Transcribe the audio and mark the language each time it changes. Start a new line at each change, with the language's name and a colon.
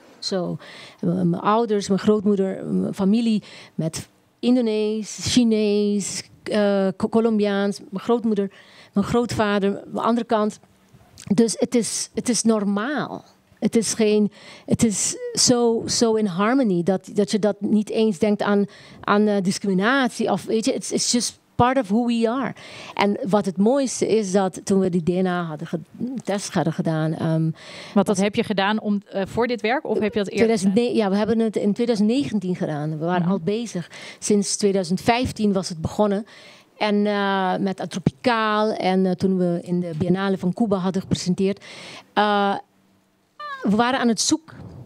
Dutch: So, mijn ouders, mijn grootmoeder, mijn familie met Indonees, Chinees, Colombiaans, mijn grootmoeder, mijn grootvader, mijn andere kant. Dus het is normaal. Het is zo in harmony dat je dat niet eens denkt aan discriminatie. Of weet je,
English: it's just part of who we are.
Dutch: En wat het mooiste is dat toen we die DNA hadden gedaan. Want dat heb je gedaan voor dit werk of heb je dat eerder? We hebben het in 2019 gedaan. We waren al bezig. Sinds 2015 was het begonnen. En met Atropicaal en toen we in de Biennale van Cuba hadden gepresenteerd. We waren aan het zoeken.